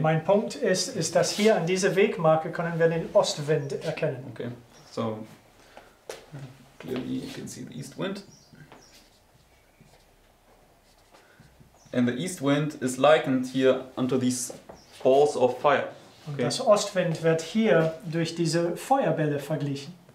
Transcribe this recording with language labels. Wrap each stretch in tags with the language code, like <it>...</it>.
<de>Mein Punkt ist, dass hier an dieser Wegmarke können wir den Ostwind erkennen.</de> <en>Okay, so, clearly you can see the east wind. And the east wind is likened here unto these balls of fire. Okay.</en> <de>Und das Ostwind wird hier durch diese Feuerbälle verglichen.</de>